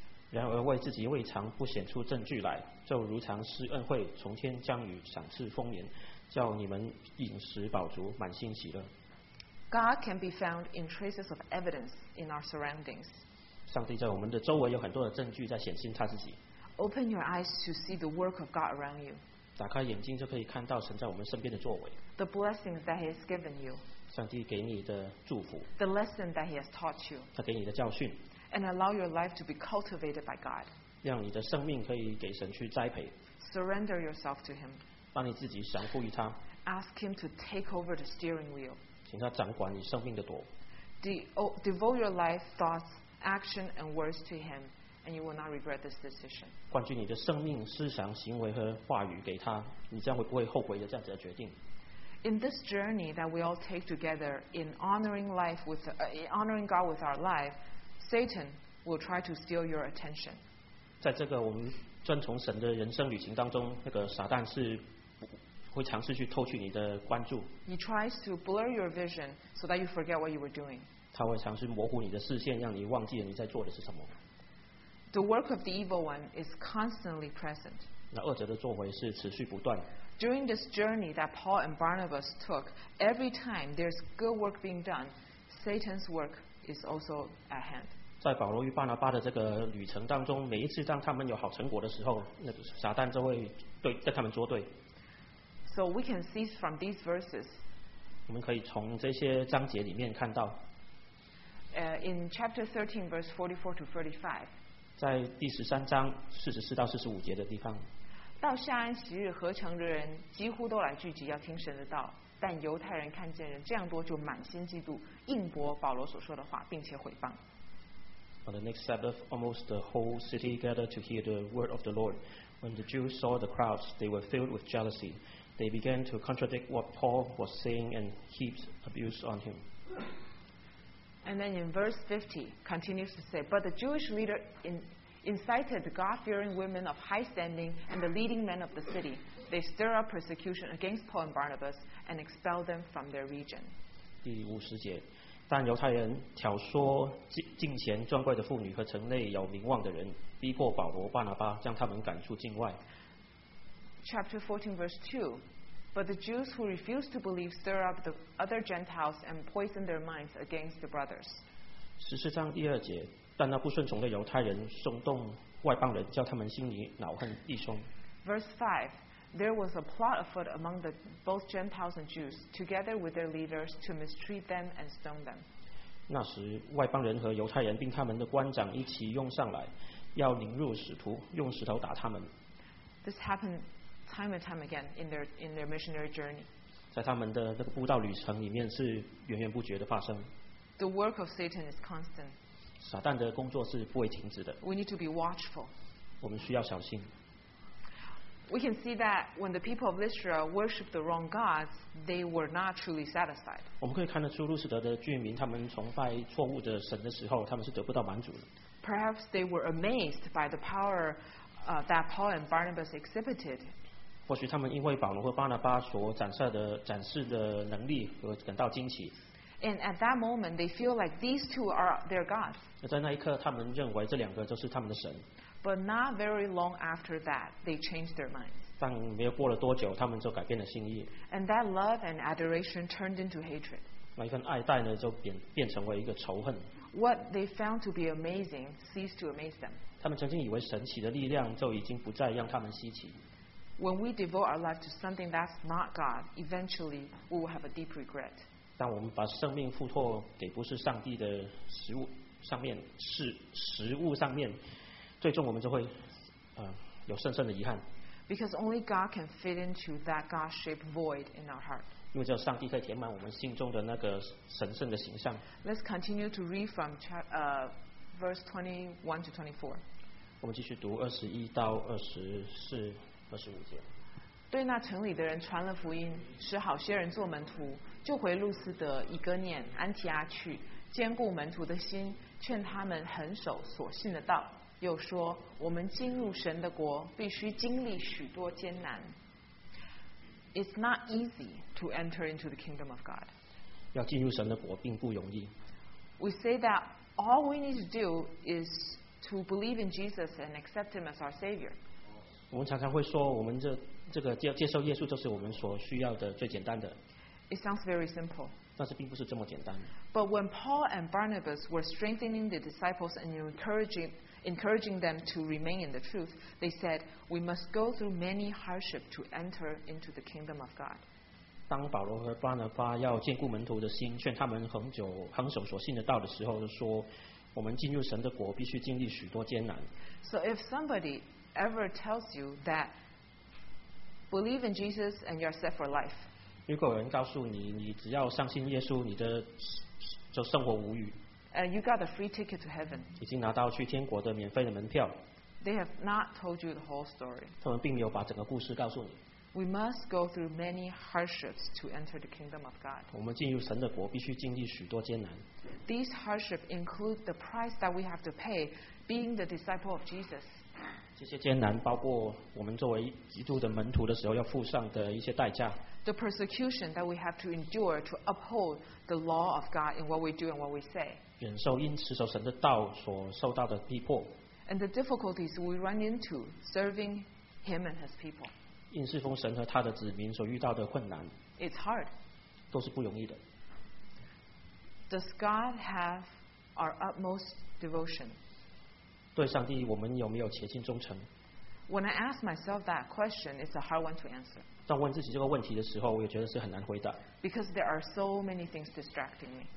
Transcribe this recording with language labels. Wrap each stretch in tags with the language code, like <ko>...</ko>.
<zh>然而为自己未尝不显出证据来，就如常施恩惠，从天降雨，赏赐丰年。叫你们饮食饱足，满心喜乐。</zh> <en>God can be found in traces of evidence in our surroundings.</en> <zh>上帝在我们的周围有很多的证据在显现他自己。</zh> <en>Open your eyes to see the work of God around you.</en> <zh>打开眼睛就可以看到神在我们身边的作为。</zh> <en>The blessings that He has given you.</en> <zh>上帝给你的祝福。</zh> <en>The lesson that He has taught you.</en> <zh>他给你的教训。</zh> <en>And allow your life to be cultivated by God.</en> <zh>让你的生命可以给神去栽培。</zh> <en>Surrender yourself to Him.</en> <zh>把你自己降服于他。</zh> <en>Ask him to take over the steering wheel.</en> <zh>请他掌管你生命的舵。</zh> <en>Devote your life, thoughts, action, and words to him, and you will not regret this decision.</en> <zh>灌注你的生命、思想、行为和话语给他，你将会不会后悔的这样子的决定。</zh> <en>In this journey that we all take together in honoring God with our life, Satan will try to steal your attention.</en> <zh>在这个我们遵从神的人生旅行当中，那个撒旦是会尝试去偷取你的关注。</zh> <en>He tries to blur your vision so that you forget what you were doing.</en> <zh>他会尝试模糊你的视线，让你忘记了你在做的是什么。</zh> <en>The work of the evil one is constantly present.</en> <zh>那恶者的作为是持续不断。</zh> <en>During this journey that Paul and Barnabas took, every time there's good work being done, Satan's work is also at hand.</en> <zh>在保罗与巴拿巴的这个旅程当中，每一次当他们有好成果的时候，那个撒旦就会对在他们作对。</zh> <en>So we can see from these verses.</en> <zh>我们可以从这些章节里面看到。</zh> <en>In chapter 13, verse 44 to 35.</en> <zh>在第十三章四十四到四十五节的地方。到夏安息日，合城的人几乎都来聚集，要听神的道。但犹太人看见人这样多，就满心嫉妒，应驳保罗所说的话，并且毁谤。</zh> <en>On the next Sabbath, almost the whole city gathered to hear the word of the Lord. When the Jews saw the crowds, they were filled with jealousy. They began to contradict what Paul was saying and heaped abuse on him. And then in verse 50, continues to say, But the Jewish leader incited the God-fearing women of high standing and the leading men of the city. They stir up persecution against Paul and Barnabas and expel them from their region.</en> <zh>第五十节，但犹太人挑唆敬虔尊贵的妇女和城内有名望的人，逼迫保罗、巴拿巴，将他们赶出境外。</zh> <en>Chapter 14, verse 2. But the Jews who refuse to believe stir up the other Gentiles and poison their minds against the brothers.</en> <zh>十四章第二节，但那不顺从的犹太人松动外邦人，叫他们心里恼恨弟兄。</zh> <en>Verse 5. There was a plot afoot among both Gentiles and Jews, together with their leaders, to mistreat them and stone them.</en> <zh>那时外邦人和犹太人并他们的官长一起拥上来，要凌辱使徒，用石头打他们。</zh> <en>This happened. Time and time again in their missionary journey.</en> <zh>在他们的那个布道旅程里面是源源不绝的发生。</zh> <en>The work of Satan is constant.</en> <zh>撒旦的工作是不会停止的。</zh> <en>We need to be watchful.</en> <zh>我们需要小心。</zh> <en>We can see that when the people of Lystra worshipped the wrong gods, they were not truly satisfied.</en> <zh>我们可以看得出，路斯德的居民他们崇拜错误的神的时候，他们是得不到满足的。</zh> <en>Perhaps they were amazed by the power that Paul and Barnabas exhibited.</en> <zh>或许他们因为保罗和巴拿巴所展示的能力而感到惊奇。</zh> <en>And at that moment, they feel like these two are their gods.</en> <zh>在那一刻，他们认为这两个就是他们的神。</zh> <en>But not very long after that, they changed their minds.</en> <zh>但没有过了多久，他们就改变了心意。</zh> <en>And that love and adoration turned into hatred.</en> <zh>那一份爱戴呢，就变成为一个仇恨。</zh> <en>What they found to be amazing ceased to amaze them.</en> <zh>他们曾经以为神奇的力量就已经不再让他们稀奇。</zh> <en>When we devote our life to something that's not God, eventually we will have a deep regret.</en> <zh>当我们把生命付托给不是上帝的食物上面，是食物上面。最终我们就会有深深的遗憾。</zh> <en>Because only God can fit into that God-shaped void in our heart.</en> <zh>因为只有上帝可以填满我们心中的那个神圣的形象。</zh> <en>Let's continue to read from verse 21 to 24.</en> <zh>我们继续读21-25节。对那城里的人传了福音，使好些人做门徒，就回路斯德、以哥念、安提阿去，坚固门徒的心，劝他们恒守所信的道。又说，我们进入神的国，必须经历许多艰难。</zh> <en>It's not easy to enter into the kingdom of God.</en> <zh>要进入神的国并不容易。</zh> <en>We say that all we need to do is to believe in Jesus and accept Him as our Savior.</en> <zh>我们常常会说，我们这个接受耶稣就是我们所需要的最简单的。</zh> <en>It sounds very simple.</en> <zh>但是并不是这么简单的。</zh> <en>But when Paul and Barnabas were strengthening the disciples and encouraging them to remain in the truth, they said, we must go through many hardships to enter into the kingdom of God.</en> <zh>当保罗和巴拿巴要坚固门徒的心，劝他们恒守所信的道的时候，就说，我们进入神的国必须经历许多艰难。</zh> <en>So if somebody ever tells you that believe in Jesus and you're set for life,</en> <zh>如果有人告诉你，你只要相信耶稣，你的就生活无虞。</zh> <en>And you got a free ticket to heaven.</en> <zh>已经拿到去天国的免费的门票。</zh> <en>They have not told you the whole story.</en> <zh>他们并没有把整个故事告诉你。</zh> <en>We must go through many hardships to enter the kingdom of God.</en> <zh>我们进入神的国必须经历许多艰难。</zh> <en>These hardships include the price that we have to pay being the disciple of Jesus.</en> <zh>这些艰难包括我们作为基督的门徒的时候要付上的一些代价。</zh> <en>The persecution that we have to endure to uphold the law of God in what we do and what we say.</en> <zh>忍受因持守神的道所受到的逼迫。</zh> <en>And the difficulties we run into serving Him and His people.</en> <zh>因侍奉神和他的子民所遇到的困难。</zh> <en>It's hard.</en> <zh>都是不容易的。</zh> <en>Does God have our utmost devotion?</en> <zh>对上帝，我们有没有竭尽忠诚？</zh> <en>When I ask myself that question, it's a hard one to answer.</en> <zh>当问自己这个问题的时候，我也觉得是很难回答。</zh> <en>Because there are so many things distracting me.</en>